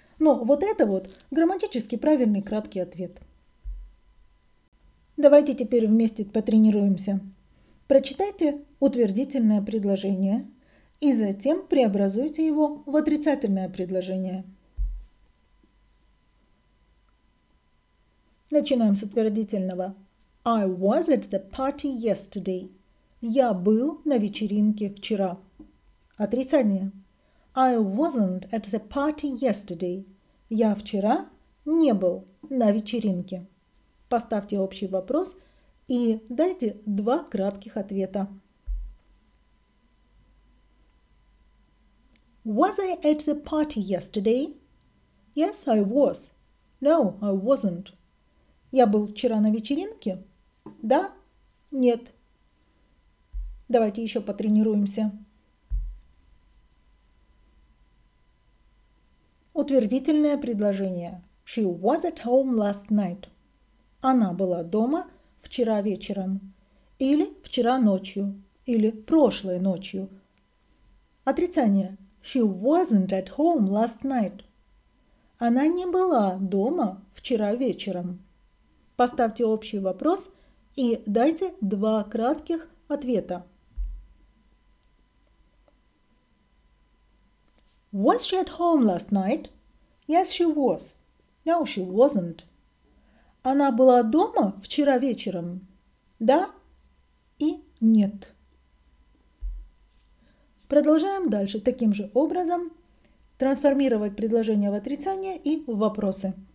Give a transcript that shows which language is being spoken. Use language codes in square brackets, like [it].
[ru] Но вот это вот грамматически правильный краткий ответ. Давайте теперь вместе потренируемся. Прочитайте утвердительное предложение и затем преобразуйте его в отрицательное предложение. Начинаем с утвердительного. [en] I was at the party yesterday. [ru] Я был на вечеринке вчера. Отрицание. [en] I wasn't at the party yesterday. [ru] Я вчера не был на вечеринке. Поставьте общий вопрос и дайте два кратких ответа. [en] Was I at the party yesterday? Yes, I was. No, I wasn't. [ru] Я был вчера на вечеринке? Да? Нет. Давайте еще потренируемся. Утвердительное предложение. [en] She was at home last night. [ru] Она была дома вчера вечером. Или вчера ночью. Или прошлой ночью. Отрицание. [en] She wasn't at home last night. [ru] Она не была дома вчера вечером. Поставьте общий вопрос и дайте два кратких ответа. [en] Was she at home last night? Yes, she was. No, she wasn't. [ru] Она была дома вчера вечером? Да и нет. Продолжаем дальше таким же образом трансформировать предложение в отрицание и в вопросы.